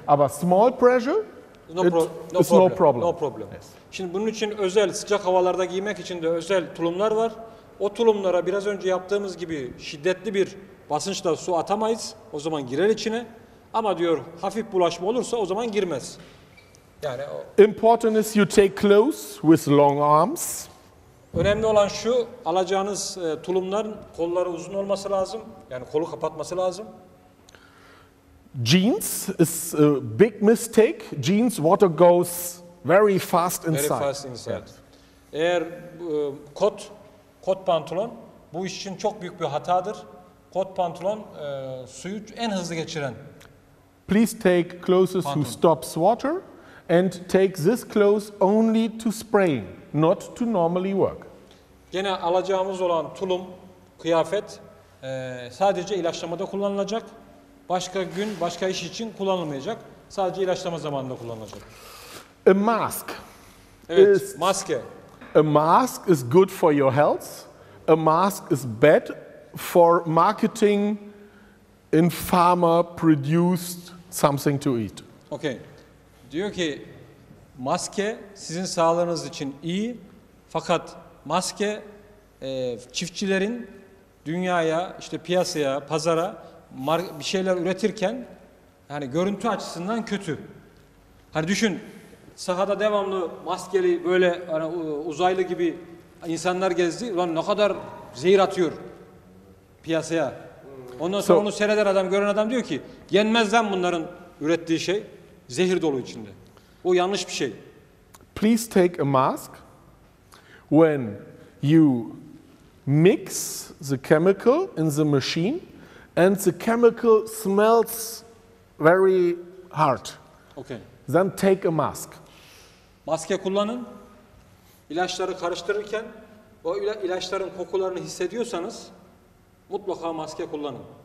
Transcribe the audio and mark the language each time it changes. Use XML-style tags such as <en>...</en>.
<en>But small pressure No problem. Yes.</en> <tr>Şimdi bunun için özel sıcak havalarda giymek için de özel tulumlar var. O tulumlara biraz önce yaptığımız gibi şiddetli bir basınçla su atamayız. O zaman girer içine. Ama diyor hafif bulaşma olursa o zaman girmez. Yani o...</tr> <en>Important is you take clothes with long arms.</en> <tr>Önemli olan şu alacağınız tulumların kolları uzun olması lazım. Yani kolu kapatması lazım. Jeans is a big mistake. Jeans, water goes very fast inside. Very fast inside. Eğer kot pantolon, bu iş için çok büyük bir hatadır. Kot pantolon suyu en hızlı geçiren.</tr> <en>Please take clothes who stops water and take this clothes only to spray, not to normally work.</en> <tr>Gene alacağımız olan tulum, kıyafet sadece ilaçlamada kullanılacak. Başka gün, başka iş için kullanılmayacak. Sadece ilaçlama zamanında kullanılacak.</tr> <en>A mask.</en> <tr>Evet, maske.</tr> <en>A mask is good for your health. A mask is bad for marketing in farmer produced something to eat. Okay.</en> <tr>Diyor ki maske sizin sağlığınız için iyi fakat maske çiftçilerin dünyaya işte piyasaya, pazara bir şeyler üretirken hani görüntü açısından kötü. Hani düşün sahada devamlı maskeli böyle hani uzaylı gibi insanlar gezdi. Ulan ne kadar zehir atıyor piyasaya. Ondan sonra onu seyreden adam, gören adam diyor ki yenmez lan bunların ürettiği şey. Zehir dolu içinde. O yanlış bir şey.</tr> <en>Please take a mask when you mix the chemical in the machine and the chemical smells very hard. Okay. Then take a mask.</en> <tr>Maske kullanın. İlaçları karıştırırken o ilaçların kokularını hissediyorsanız mutlaka maske kullanın.</tr>